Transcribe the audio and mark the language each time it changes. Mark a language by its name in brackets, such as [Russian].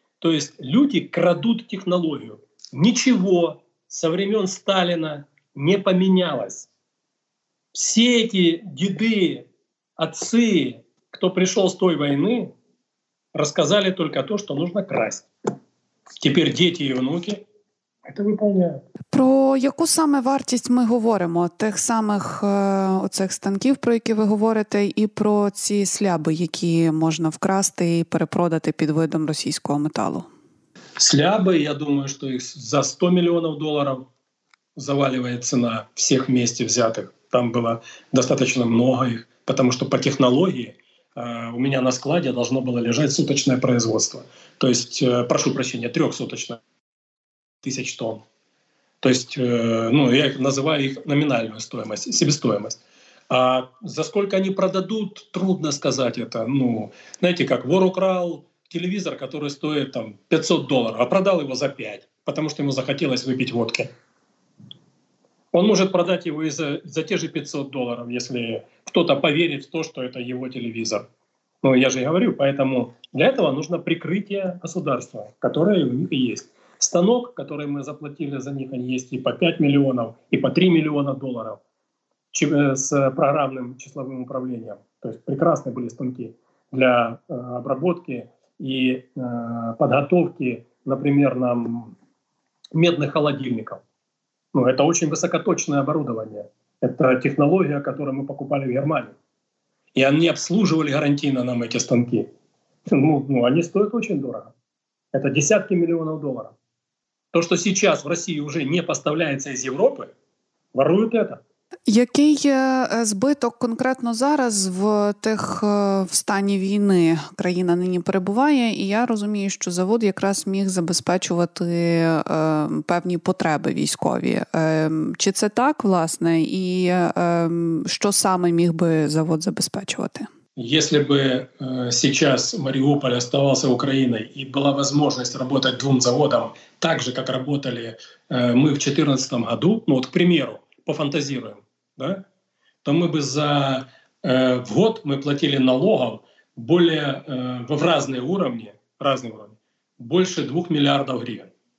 [Russian] То есть люди крадут технологию. Ничего со времен Сталина не поменялось. Все эти деды, отцы, кто пришел с той войны, рассказали только то, что нужно красть. Теперь дети и внуки это выполняют. [Ukrainian] Про яку саме вартість ми говоримо? Тих самих оцих станків, про які ви говорите, і про ці сляби, які можна вкрасти і перепродати під видом російського металу? Сляби, я думаю, що їх за 100 мільйонів доларів завалює ціна всіх вместе взятих. Там було достатньо много їх, тому що по технології у мене на складі [Russian] должно [Ukrainian] було лежати [Russian] суточне производство. [Ukrainian] Тобто, прошу прощення, трьохсуточне, 1000 тонн. [Russian] То есть, ну, я называю их номинальную стоимость, себестоимость. А за сколько они продадут, трудно сказать это. Ну, знаете, как вор украл телевизор, который стоит там $500, а продал его за 5, потому что ему захотелось выпить водки. Он может продать его и за те же $500, если кто-то поверит в то, что это его телевизор. Ну, я же и говорю, поэтому для этого нужно прикрытие государства, которое у них есть. Станок, который мы заплатили за них, они есть и по 5 миллионов, и по 3 миллиона долларов с программным числовым управлением. То есть прекрасные были станки для обработки и подготовки, например, нам медных холодильников. Ну, это очень высокоточное оборудование. Это технология, которую мы покупали в Германии. И они обслуживали гарантийно нам эти станки. Ну, они стоят очень дорого. Это десятки миллионов долларов. [Ukrainian] То, що [Russian] сейчас [Ukrainian] в Росії вже не поставляється з Європи, ворують це. Який збиток конкретно зараз в тих в стані війни країна нині перебуває, і я розумію, що завод якраз міг забезпечувати певні потреби військові. Чи це так, власне, і що саме міг би завод забезпечувати? [Russian] Якщо б сейчас Маріуполь оставался Україною [Ukrainian] і була можливість [Russian] работать двом заводам, так же, как работали мы в 2014 году, ну вот, к примеру, пофантазируем, да, то мы бы за год мы платили налогов более в разные уровни, больше 2 миллиардов гривен.